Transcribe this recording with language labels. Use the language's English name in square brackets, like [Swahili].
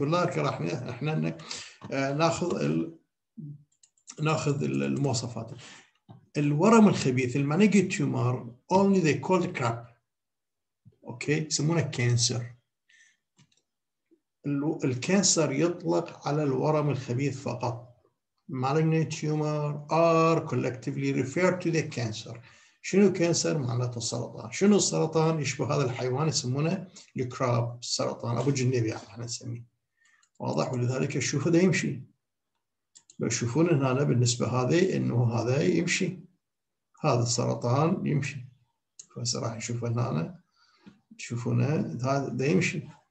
[Arabic] ولكن راح احنا ناخذ المواصفات. الورم الخبيث [English] المانيجي tumour only the called crab, okay, [Arabic] يسمونه [English] Cancer. [Arabic] الكانسر يطلق على الورم الخبيث فقط. [English] Malignant tumor are collectively referred to the cancer. [Arabic] شنو كانسر؟ معناته السرطان. شنو السرطان؟ يشبه هذا الحيوان يسمونه الكراب، السرطان ابو جنب يعني احنا نسميه. واضح؟ ولذلك شوفوا ده يمشي. بشوفون هنا بالنسبه هذه انه هذا يمشي. هذا السرطان يمشي. بس راح نشوف هنا تشوفونه ده يمشي.